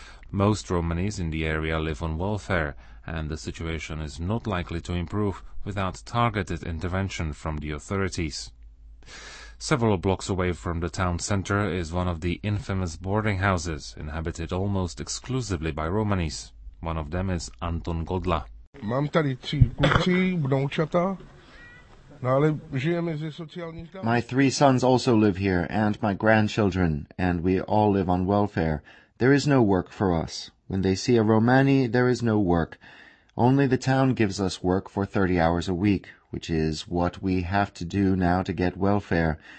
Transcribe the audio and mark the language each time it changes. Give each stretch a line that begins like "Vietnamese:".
English: Most Romanis in the area live on welfare, and the situation is not likely to improve without targeted intervention from the authorities. Several blocks away from the town center is one of the infamous boarding houses, inhabited almost exclusively by Romanis. One of them is Anton Godla.
Czech: Mám tady tři kluci, vnoučata.
English: My three sons also live here, and my grandchildren, and we all live on welfare. There is no work for us. When they see a Romani, there is no work. Only the town gives us work for 30 hours a week, which is what we have to do now to get welfare.